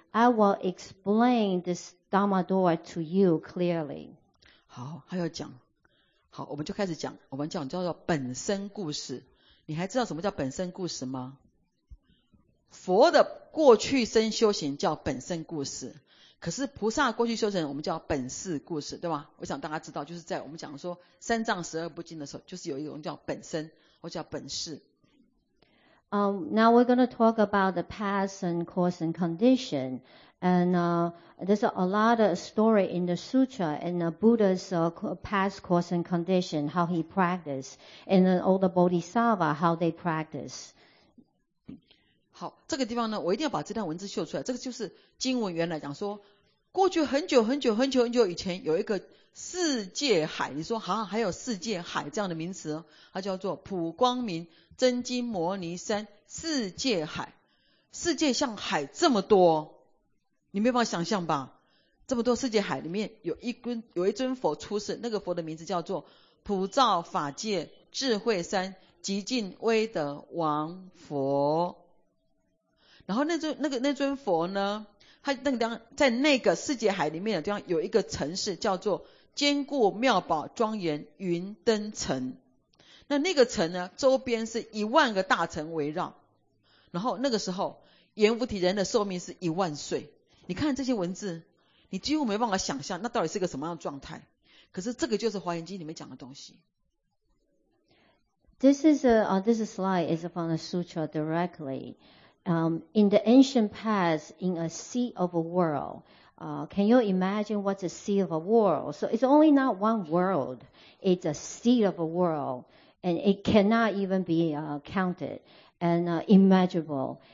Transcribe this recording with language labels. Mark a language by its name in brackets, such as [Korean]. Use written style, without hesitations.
[English] I will explain this Dharma door to you clearly. [Chinese] 好，他要讲。好，我们就开始讲。我们讲叫做本身故事。你还知道什么叫本身故事吗？佛的过去生修行叫本生故事，可是菩萨过去修行我们叫本事故事，对吧？我想大家知道，就是在我们讲说三藏十二部经的时候，就是有一种叫本生或叫本事。 [English] Now we're going to talk about the past and course and condition. And there's a lot of story in the sutra and the Buddha's past course and condition, how he practiced. And then all the bodhisattva, how they practice. [Chinese] 好，这个地方呢，我一定要把这段文字秀出来。这个就是经文原来讲说，过去很久很久很久很久以前，有一个世界海。你说好，还有世界海这样的名词，它叫做普光明真经摩尼山世界海。世界像海这么多，你没办法想象吧？这么多世界海里面有一尊，有一尊佛出世，那个佛的名字叫做普照法界智慧山极尽威德王佛。然后那尊佛呢，他那个地方在那个世界海里面的地方有一个城市叫做坚固妙宝庄严云灯城。那个城呢，周边是一万个大城围绕。然后那个时候，阎浮提人的寿命是一万岁。你看这些文字，你几乎没办法想象那到底是个什么样的状态。可是这个就是《华严经》里面讲的东西。 [English] This slide is from the sutra directly. In the ancient past, in a sea of a world, can you imagine what's a sea of a world? So it's only not one world, it's a sea of a world, and it cannot even be counted and immeasurable.